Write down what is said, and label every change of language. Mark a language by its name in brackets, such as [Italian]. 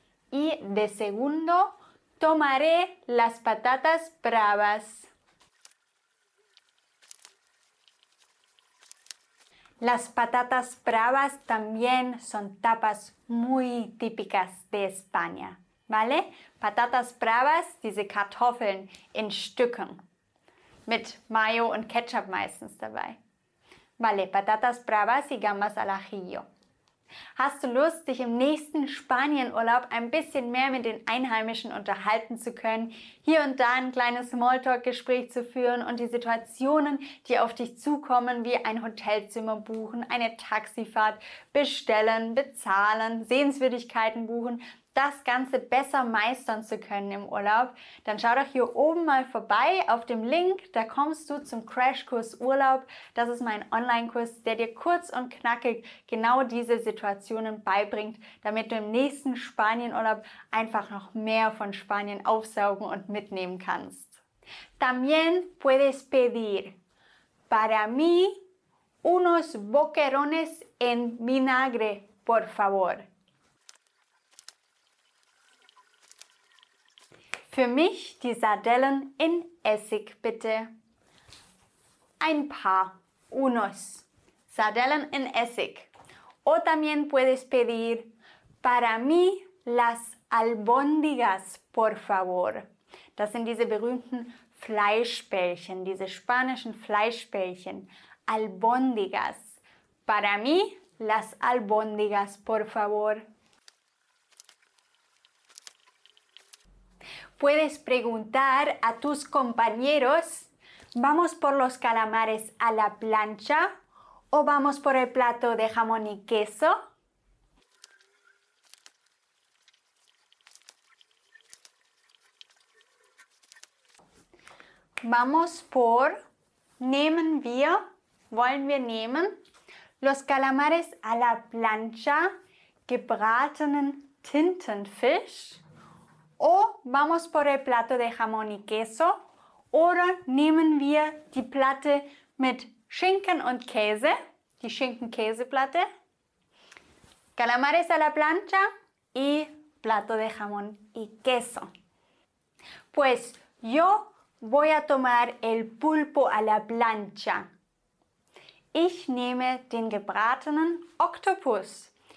[Spanish] Y de segundo, tomaré las patatas bravas. Las patatas bravas también son tapas muy típicas de España. ¿Vale? [German] Patatas bravas, diese Kartoffeln in Stücken. Mit Mayo und Ketchup meistens dabei. [Spanish] Vale, patatas bravas y gambas al ajillo. [German] Hast du Lust, dich im nächsten Spanienurlaub ein bisschen mehr mit den Einheimischen unterhalten zu können, hier und da ein kleines Smalltalk-Gespräch zu führen und die Situationen, die auf dich zukommen, wie ein Hotelzimmer buchen, eine Taxifahrt bestellen, bezahlen, Sehenswürdigkeiten buchen, das Ganze besser meistern zu können im Urlaub, dann schau doch hier oben mal vorbei auf dem Link, da kommst du zum Crashkurs Urlaub. Das ist mein Online-Kurs, der dir kurz und knackig genau diese Situationen beibringt, damit du im nächsten Spanienurlaub einfach noch mehr von Spanien aufsaugen und mitnehmen kannst. [Spanish] También puedes pedir para mí unos boquerones en vinagre, por favor. [German] Für mich die Sardellen in Essig, bitte. Ein paar, unos. Sardellen in Essig. [Spanish] O también puedes pedir para mí las albóndigas, por favor. [German] Das sind diese berühmten Fleischbällchen, diese spanischen Fleischbällchen. [Spanish] Albóndigas. Para mí las albóndigas, por favor. Puedes preguntar a tus compañeros, ¿vamos por los calamares a la plancha ¿O vamos por el plato de jamón y queso? Vamos por... [German] ¿Nehmen wir? ¿Wollen wir nehmen? [Spanish] Los calamares a la plancha, [German] gebratenen Tintenfisch. [Spanish] O vamos por el plato de jamón y queso. [German] Oder nehmen wir die Platte mit Schinken und Käse, die Schinken-Käse-Platte. [Spanish] Calamares a la plancha y plato de jamón y queso. Pues yo voy a tomar el pulpo a la plancha. [German] Ich nehme den gebratenen Oktopus.